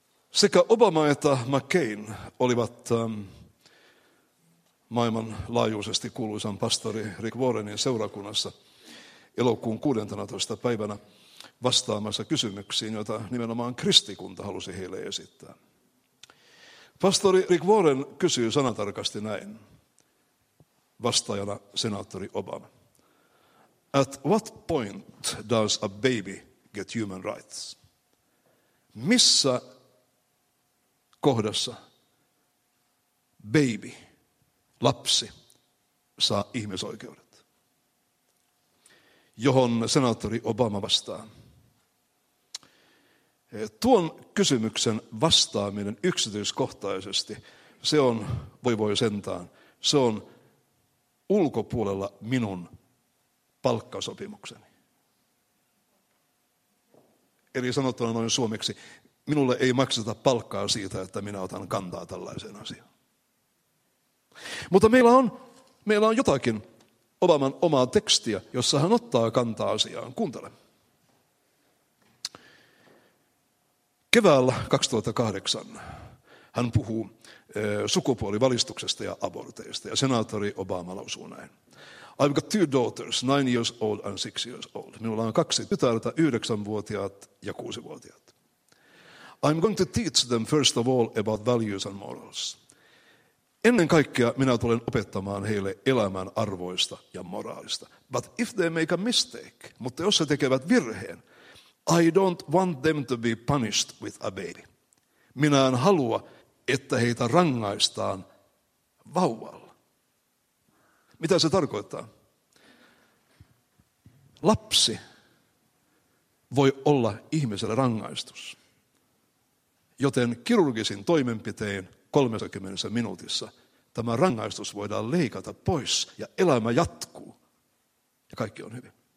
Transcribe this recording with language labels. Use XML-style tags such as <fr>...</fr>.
<fi>Sekä Obama että McCain olivat maailmanlaajuisesti kuuluisan pastori Rick Warrenin seurakunnassa elokuun 16. päivänä vastaamassa kysymyksiin, joita nimenomaan kristikunta halusi heille esittää. Pastori Rick Warren kysyi sanatarkasti näin, vastaajana senaattori Obama.</fi> <en>At what point does a baby get human rights?</en> <fi>Missä kohdassa baby, lapsi, saa ihmisoikeudet? Johon senaattori Obama vastaa. Tuon kysymyksen vastaaminen yksityiskohtaisesti, se on, voi sentään, se on ulkopuolella minun palkkasopimukseni. Eli sanottuna noin suomeksi, minulle ei makseta palkkaa siitä, että minä otan kantaa tällaiseen asiaan. Mutta meillä on jotakin Obaman omaa tekstiä, jossa hän ottaa kantaa asiaan. Kuuntele. Keväällä 2008 hän puhuu sukupuolivalistuksesta ja aborteista ja senaattori Obama lausuu näin.</fi> <en>I've got 2 daughters, 9 years old and 6 years old.</en> <fi>Minulla on 2 tytärtä, 9-vuotiaat ja 6-vuotiaat.</fi> <en>I'm going to teach them first of all about values and morals.</en> <fi>Ennen kaikkea minä tulen opettamaan heille elämän arvoista ja moraalista.</fi> <en>But if they make a mistake,</en> <fi>mutta jos he tekevät virheen,</fi> <en>I don't want them to be punished with a baby.</en> <fi>Minä en halua, että heitä rangaistaan vauvalla. Mitä se tarkoittaa? Lapsi voi olla ihmiselle rangaistus. Joten kirurgisin toimenpitein 30 minuutissa tämä rangaistus voidaan leikata pois ja elämä jatkuu. Ja kaikki on hyvin.</fi>